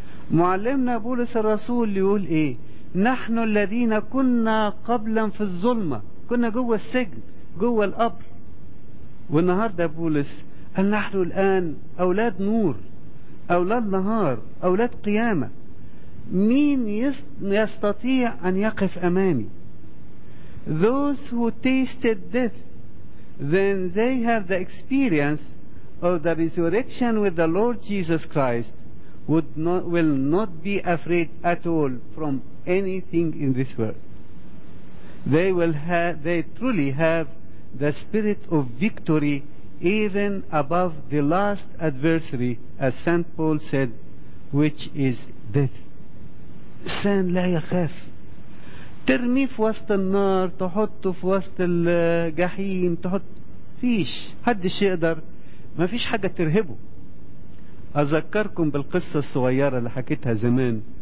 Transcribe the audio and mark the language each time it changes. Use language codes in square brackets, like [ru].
[ar] معلمنا بولس الرسول يقول إيه؟ نحن الذين كنا قبلا في الظلمة, كنا جوه السجن جوه القبر, والنهاردة بولس قال نحن الآن أولاد نور, أولاد نهار, أولاد قيامة. مين يستطيع أن يقف أمامي؟ [en] Those who tasted death, then they have the experience of the resurrection with the Lord Jesus Christ, will not be afraid at all from anything in this world. They truly have the spirit of victory even above the last adversary, as Saint Paul said, which is death. [ar] سان لا يخاف. ترمي في وسط النار, تحطه في وسط الجحيم, تحط فيش حدش يقدر, ما فيش حاجة ترهبه. أذكركم بالقصة الصغيرة اللي حكيتها زمان.